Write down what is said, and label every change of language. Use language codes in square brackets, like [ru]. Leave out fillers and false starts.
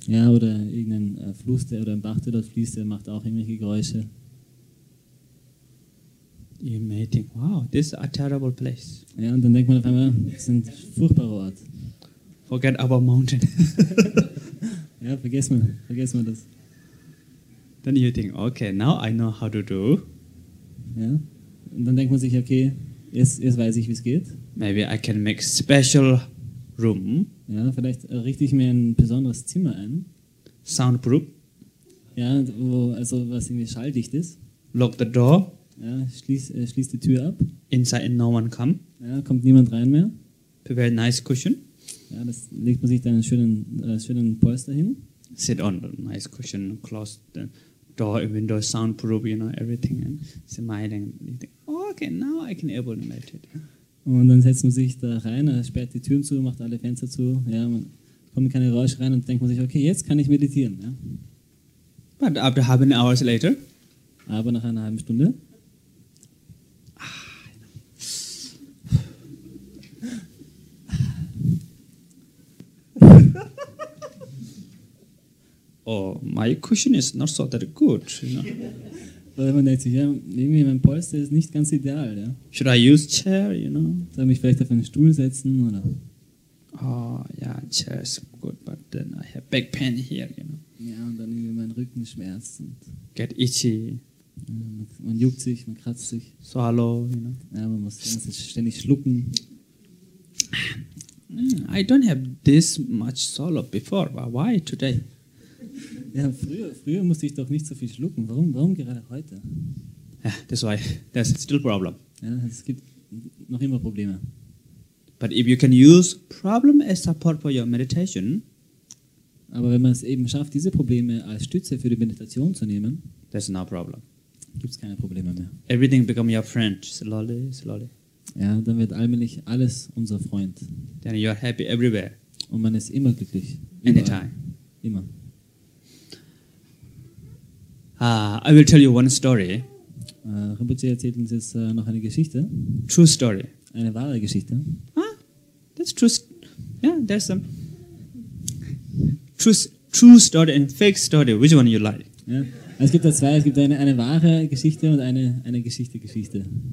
[de] Ja, oder irgendein Fluss, der oder ein Bach, der dort fließt, der macht auch irgendwelche Geräusche. [en] You may think, wow, this is a terrible place. [de] Ja, und dann denkt man auf einmal, das ist ein furchtbarer Ort. [en] Forget about mountain. [de] Ja, vergessen wir das. [en] Then you think, okay, now I know how to do. [de] Ja, und dann denkt man sich, okay, jetzt weiß ich, wie es geht. [en] Maybe I can make special room. [de] Ja, vielleicht richte ich mir ein besonderes Zimmer ein. [en] Soundproof. [de] Ja, wo, also was irgendwie schalldicht ist. [en] Lock the door. [de] Ja, schließ die Tür ab. [en] Inside and no one come. [de] Ja, kommt niemand rein mehr. [en] Prepare a nice cushion. [de] Ja, das legt man sich dann einen schönen, schönen Polster hin. [en] Sit on a nice cushion, close the door, window, soundproof, you know, everything. And smiling. You think, oh, okay, now I can able to meditate. [de] Und dann setzt man sich da rein, sperrt die Türen zu, macht alle Fenster zu. Ja, man kommt keine Geräusche rein und denkt man sich, okay, jetzt kann ich meditieren. Ja. [en] But after half an hour later. [de] Aber nach einer halben Stunde. [en] my cushion is not so that good. [de] Oder man denkt sich, ja, irgendwie mein Polster ist nicht ganz ideal. Ja. [en] Should I use chair, you know? [de] Soll ich mich vielleicht auf einen Stuhl setzen, oder? [en] Oh, yeah, chair is good, but then I have back pain here, you know. [de] Ja, und dann irgendwie mein Rücken schmerzt und... [en] Get itchy. [de] Man juckt sich, man kratzt sich. [en] Swallow, you know. [de] Ja, man muss ständig schlucken. [en] I don't have this much swallow before, but why today? [de] Ja, früher musste ich doch nicht so viel schlucken. Warum gerade heute? [en] Yeah, that's why. There's still a problem. [de] Ja, es gibt noch immer Probleme. [en] But if you can use problem as support for your meditation. [de] Aber wenn man es eben schafft, diese Probleme als Stütze für die Meditation zu nehmen, [en] there's no problem. [de] Gibt's keine Probleme mehr. [en] Everything becomes your friend. Slowly, slowly. [de] Ja, dann wird allmählich alles unser Freund. [en] Then you're happy everywhere. [de] Und man ist immer glücklich. Überall. Anytime. Immer. [en] I will tell you one story. [de] Rinpoche erzählt uns jetzt noch eine Geschichte. [en] True story. [de] Eine wahre Geschichte. [en] Ah, that's true. Yeah, there's some true story and fake story. Which one you like? Yeah. [de] Es gibt da zwei. Es gibt eine wahre Geschichte und eine Geschichte.